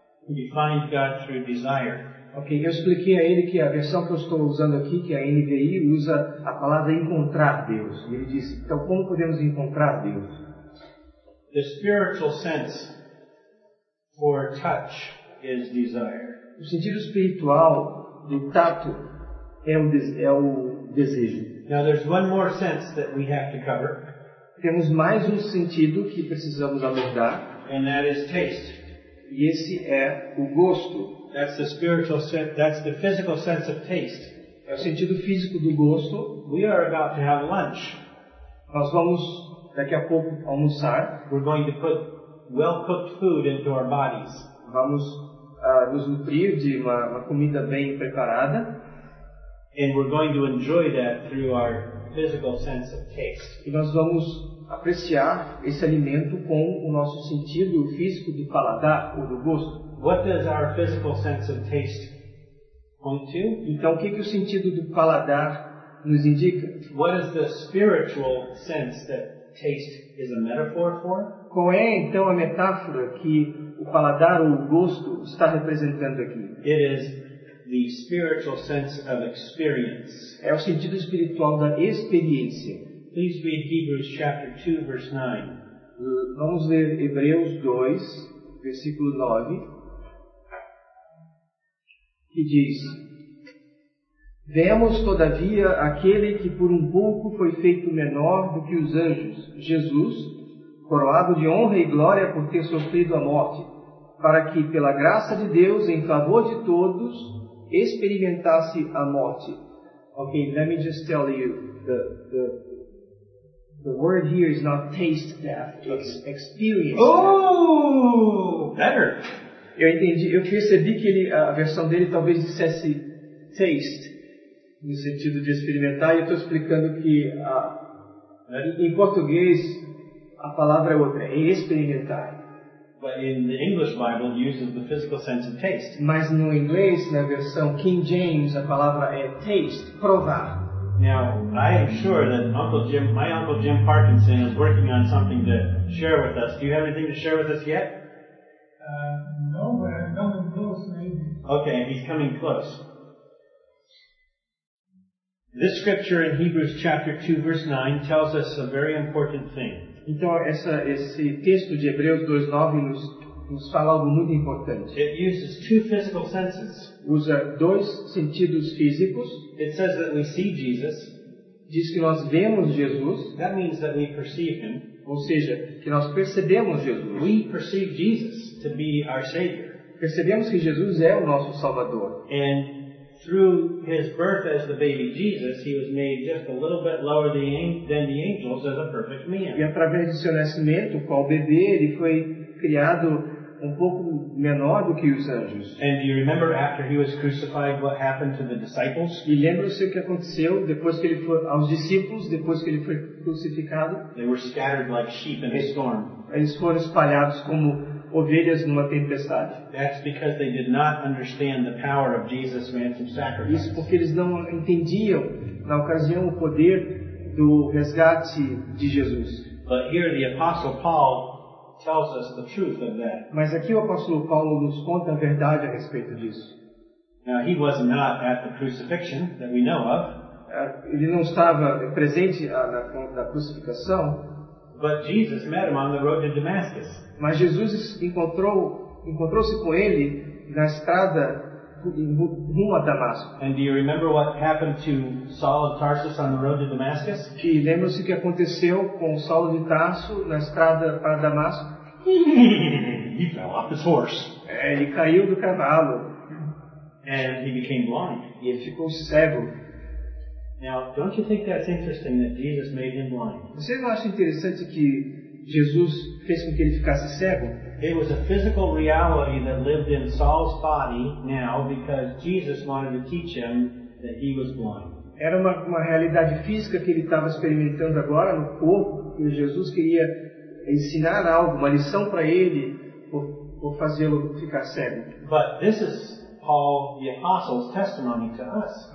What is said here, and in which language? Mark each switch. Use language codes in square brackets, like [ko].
[en] You find God through desire. [pt] Ok, eu expliquei a ele que a versão que eu estou usando aqui, que é a NVI, usa a palavra encontrar Deus. E ele disse, então como podemos encontrar Deus? [en] The spiritual sense for touch is desire. [pt] O sentido espiritual do tato é o desejo. [en] Now there's one more sense that we have to cover. [pt] Temos mais um sentido que precisamos abordar. [en] And that is taste. [pt] E esse é o gosto. [en] That's the spiritual sense, that's the physical sense of taste. [pt] É o sentido físico do gosto. [en] We are about to have lunch. [pt] Nós vamos daqui a pouco almoçar. [en] We're going to put well-cooked food into our bodies. [pt] Vamos nos nutrir de uma comida bem preparada. [en] And we're going to enjoy that through our physical sense of taste. [pt] E nós vamos apreciar esse alimento com o nosso sentido físico do paladar ou do gosto. [en] What does our physical sense of taste point to? [pt] Então, o que o sentido do paladar nos indica? [en] What is the spiritual sense that taste is a metaphor for? [pt] Qual é, então, a metáfora que o paladar ou o gosto está representando aqui? [en] It is the spiritual sense of experience. [pt] É o sentido espiritual da experiência. [en] Please read Hebrews chapter 2, verse 9. [pt] Vamos ler Hebreus 2, versículo 9. Que diz, vemos todavia aquele que por um pouco foi feito menor do que os anjos, Jesus, coroado de honra e glória por ter sofrido a morte, para que pela graça de Deus, em favor de todos, experimentasse a morte. [en] Ok, let me just tell you, the word here is not taste death, it's experience. Oh, better! [pt] Eu entendi, eu percebi que ele, a versão dele talvez dissesse taste, no sentido de experimentar, e eu estou explicando que em português a palavra é outra, é experimentar. [en] But in the English Bible, it uses the physical sense of taste. [pt] Mas no inglês, na versão King James, a palavra é taste, provar. [en] Now, I am sure that my Uncle Jim Parkinson is working on something to share with us. Do you have anything to share with us yet? No, but I'm coming close, maybe. Okay, he's coming close. This scripture in Hebrews chapter 2, verse 9, tells us a very important thing. [pt] Então, esse texto de Hebreus 2:9 nos fala algo muito importante. [en] It uses two physical senses. [pt] Usa dois sentidos físicos. [en] It says that we see Jesus. [pt] Diz que nós vemos Jesus. [en] That means that we perceive him. [pt] Ou seja, que nós percebemos Jesus. [en] We perceive Jesus to be our Savior. [pt] Percebemos que Jesus é o nosso Salvador. [en] And through his birth as the baby Jesus, he was made just a little bit lower than the angels as a perfect man. [pt] E através do seu nascimento, qual bebê, ele foi criado um pouco menor do que os anjos. [en] And do you remember after he was crucified what happened to the disciples? [pt] E lembra-se o que aconteceu depois que ele foi aos discípulos depois que ele foi crucificado? [en] They were scattered like sheep in a storm. [pt] Eles foram espalhados como ovelhas numa tempestade. [en] That's because they did not understand the power of Jesus' ransom sacrifice. [pt] Isso porque eles não entendiam na ocasião o poder do resgate de Jesus. [en] But here the apostle Paul tells us the truth of that. [pt] Mas aqui o apóstolo Paulo nos conta a verdade a respeito disso. [en] Now, he was not at the crucifixion that we know of. [pt] Ele não estava presente na crucificação. [en] But Jesus met him on the road to Damascus. [pt] Mas Jesus encontrou-se com ele na estrada rumo a Damasco. [en] And do you remember what happened to Saul of Tarsus on the road to Damascus? [pt] E lembra-se o que aconteceu com Saul de Tarso na estrada para Damasco? [en] He fell off his horse. [pt] Ele caiu do cavalo. [en] And he became blind. [pt] E ele ficou cego. [en] Now, don't you think that's interesting that Jesus made him blind? [pt] Você não acha interessante que Jesus fez com que ele ficasse cego? [en] It was a physical reality that lived in Saul's body now because Jesus wanted to teach him that he was blind. [pt] Era uma realidade física que ele estava experimentando agora no corpo que Jesus queria ensinar algo, uma lição para ele, por fazê-lo ficar cego. [en] But this is Paul the apostle's testimony to us.